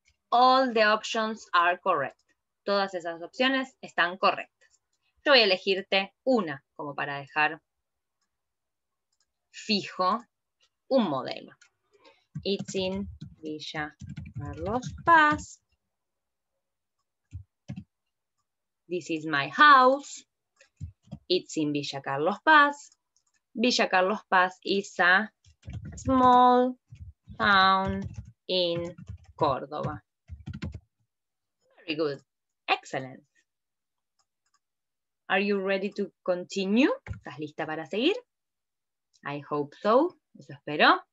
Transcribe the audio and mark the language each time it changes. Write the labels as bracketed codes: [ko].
[en] All the options are correct. [es] Todas esas opciones están correctas. Yo voy a elegirte una como para dejar fijo un modelo. [en] It's in Villa Carlos Paz. This is my house. It's in Villa Carlos Paz. Villa Carlos Paz is a small town in Córdoba. Very good. Excellent. Are you ready to continue? [es] ¿Estás lista para seguir? [en] I hope so. [es] Eso espero.